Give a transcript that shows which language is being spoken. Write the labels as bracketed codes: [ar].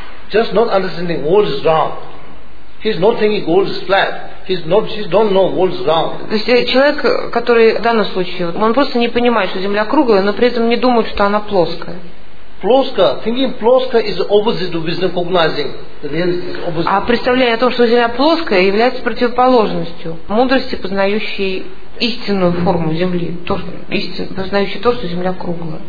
[en] Just not understanding world is round. He's not thinking world is flat. He don't know world is round. [ru] То есть человек, который в данном случае, он просто не понимает, что Земля круглая, но при этом не думает, что она плоская. Плоская. [en] Thinking [ru] плоская [en] is opposite to wisdom cognizing. [ru] А представление о том, что Земля плоская, является противоположностью мудрости, познающей истинную форму Земли, познающий то, что Земля круглая.